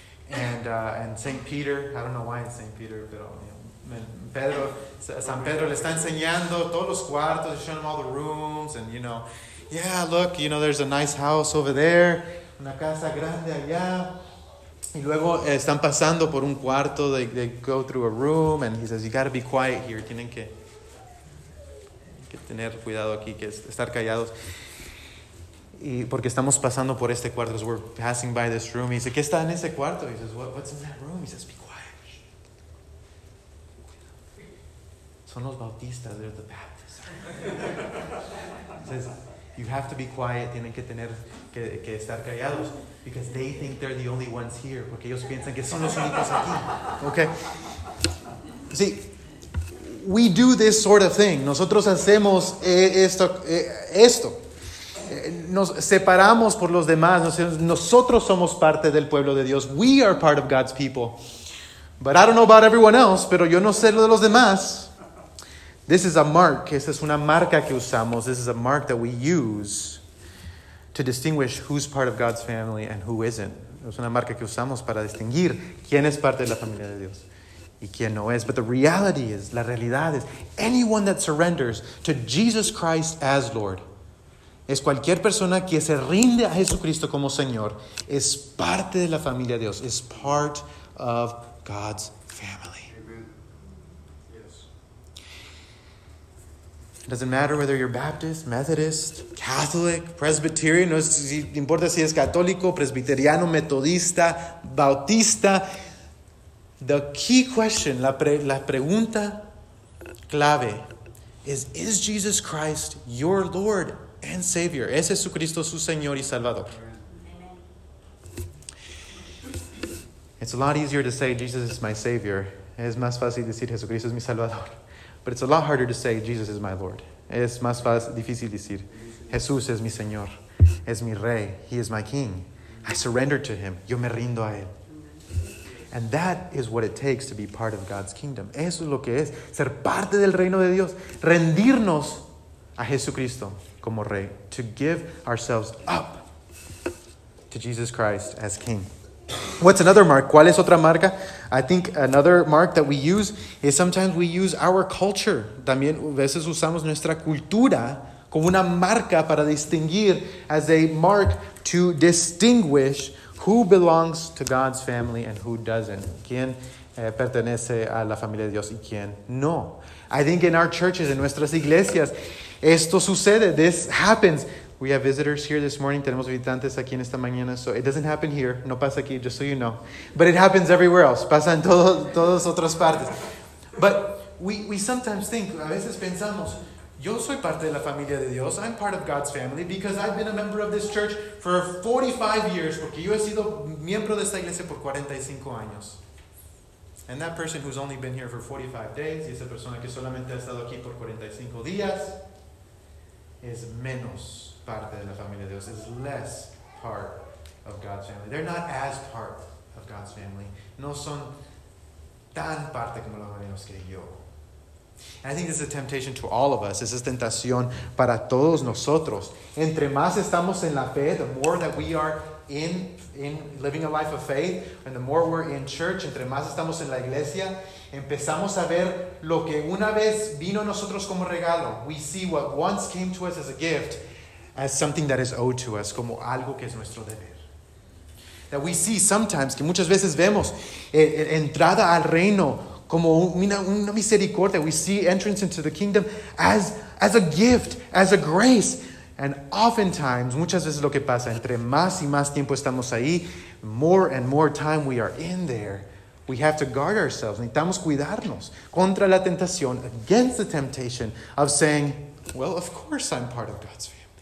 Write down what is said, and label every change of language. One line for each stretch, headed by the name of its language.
English: And St. Peter, I don't know why it's St.
Spanish: Peter, pero Pedro, San Pedro le está enseñando todos los cuartos,
English: showing him all the rooms. And, you know, yeah, look, you know, there's a nice house over there.
Spanish: Una casa grande allá. Y luego están pasando por un cuarto.
English: They go through a room. And he says, you gotta be quiet here.
Spanish: Tienen que tener cuidado aquí. Que estar callados. Y porque estamos pasando por este cuarto.
English: So we're passing by this room. He says,
Spanish: ¿qué está en ese cuarto?
English: He says, what's in that room? He says, be quiet.
Spanish: Son los bautistas.
English: They're the Baptists. He says, you have to be quiet.
Spanish: Tienen que tener que estar callados,
English: because they think they're the only ones here,
Spanish: porque ellos piensan que son los únicos aquí.
English: Okay. See, we do this sort of thing.
Spanish: Nosotros hacemos esto. Nos separamos por los demás. Nosotros somos parte del pueblo de Dios.
English: We are part of God's people. But I don't know about everyone else,
Spanish: pero yo no sé lo de los demás.
English: This is a mark.
Spanish: Esta es una marca que usamos.
English: This is a mark that we use to distinguish who's part of God's family and who isn't.
Spanish: Es una marca que usamos para distinguir quién es parte de la familia de Dios y quién no es.
English: But the reality is,
Spanish: la realidad es,
English: anyone that surrenders to Jesus Christ as Lord,
Spanish: es cualquier persona que se rinde a Jesucristo como Señor, es parte de la familia de Dios,
English: is part of God's family. It doesn't matter whether you're Baptist, Methodist, Catholic, Presbyterian.
Spanish: No importa si es católico, presbiteriano, metodista, bautista.
English: The key question,
Spanish: la pregunta clave,
English: is Jesus Christ your Lord and Savior?
Spanish: ¿Es Jesucristo su Señor y Salvador?
English: It's a lot easier to say Jesus is my Savior.
Spanish: Es más fácil decir Jesucristo es mi Salvador.
English: But it's a lot harder to say Jesus is my Lord.
Spanish: Es más fácil, difícil decir Jesús es mi Señor, es mi Rey,
English: He is my King. I surrender to Him.
Spanish: Yo me rindo a Él.
English: And that is what it takes to be part of God's kingdom.
Spanish: Eso es lo que es ser parte del reino de Dios. Rendirnos a Jesucristo como Rey.
English: To give ourselves up to Jesus Christ as King. What's another mark?
Spanish: ¿Cuál es otra marca?
English: I think another mark that we use is sometimes we use our culture.
Spanish: También a veces usamos nuestra cultura como una marca para distinguir,
English: as a mark to distinguish who belongs to God's family and who doesn't.
Spanish: ¿Quién pertenece a la familia de Dios y quién no?
English: I think in our churches, in
Spanish: nuestras iglesias, esto sucede.
English: This happens. We have visitors here this morning.
Spanish: Tenemos visitantes aquí en esta mañana.
English: So it doesn't happen here.
Spanish: No pasa aquí,
English: just so you know. But it happens everywhere else.
Spanish: Pasa en todas otras partes.
English: But we sometimes think,
Spanish: a veces pensamos, yo soy parte de la familia de Dios.
English: I'm part of God's family because I've been a member of this church for 45 years.
Spanish: Porque yo he sido miembro de esta iglesia por 45 años.
English: And that person who's only been here for 45 days,
Spanish: y esa persona que solamente ha estado aquí por 45 días, es menos parte de la familia de Dios,
English: is less part of God's family. They're not as part of God's family.
Spanish: No son tan parte como los hermanos que yo.
English: And I think this is a temptation to all of us. This is
Spanish: tentación para todos nosotros. Entre más estamos en la fe,
English: the more that we are in living a life of faith, and the more we're in church,
Spanish: entre más estamos en la iglesia, empezamos a ver lo que una vez vino a nosotros como regalo.
English: We see what once came to us as a gift, as something that is owed to us,
Spanish: como algo que es nuestro deber.
English: That we see sometimes,
Spanish: que muchas veces vemos entrada al reino como una misericordia.
English: We see entrance into the kingdom as a gift, as a grace. And oftentimes,
Spanish: muchas veces lo que pasa, entre más y más tiempo estamos ahí,
English: more and more time we are in there, we have to guard ourselves.
Spanish: Necesitamos cuidarnos contra la tentación,
English: against the temptation of saying, well, of course I'm part of God's family.